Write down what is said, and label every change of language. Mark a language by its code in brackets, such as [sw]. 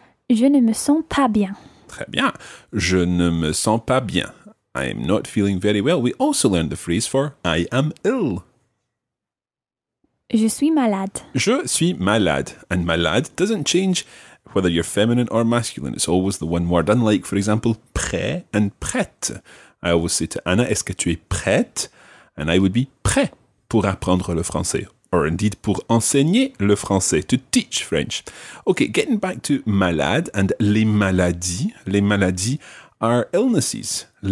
[fr] Je ne me sens pas bien. Très bien. Je ne me sens pas bien. [en] I am not feeling very well. We also learned the phrase for I am ill. [fr] Je suis malade. Je suis malade. [en] And malade doesn't change whether you're feminine or masculine. It's always the one word. Unlike, for example, prêt and prête. I always say to Anna, [fr] est-ce que tu es prête? [en] And I would be [fr] prêt pour apprendre le français. Or indeed pour enseigner le français, to teach French. [en] Okay, getting back to malade and [fr] les maladies [en] are illnesses.